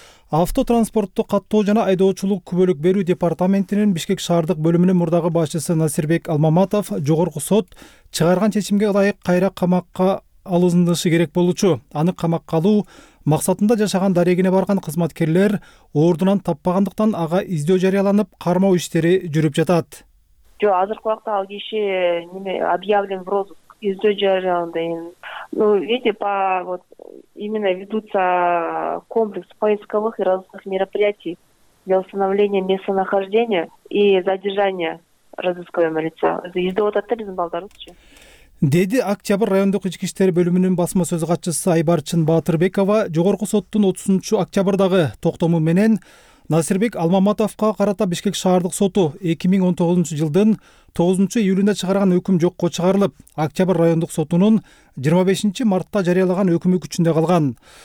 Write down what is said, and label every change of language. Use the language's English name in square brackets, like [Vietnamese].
[Kyrgyz] Автотранспортту каттоо жана айдоочулук бөлүк берүү департаментинин Бишкек шаардык бөлүмүнүн мурдагы башчысы Насирбек Алмаматов жогорку сот чыгарган чечимге ылайык кайра камакка алынышы керек болучу. Аны камакка алуу максатында жашаган дарегине барган кызматкерлер ордунан таппагандыктан ага издөө жарыяланып, кармоо иштери жүрүп жатат. Жок, азыркы убакта ал киши эмне [Russian] объявлен в розыск, [Kyrgyz] издөө жарыяланды. [Russian] Ну, видите, по вот именно ведутся комплекс поисковых и розыскных мероприятий для установления местонахождения и задержания розыскуемого лица. [Kyrgyz] Издөө тартылган балдарчы. Деди Октябрь райондук ички иштер бөлүмүнүн басма сөз катчысы Айбарчын Баатырбекова жогорку соттун 30 октябрдагы токтому менен Насирбек Алмаматовго карата Бишкек шаардык соту 2019 жылдын 9 июлунда чыгарган өкүм жокко чыгарылып, Октябрь райондук сотунун 25 мартта жарыялаган өкүмү күчүндө калган.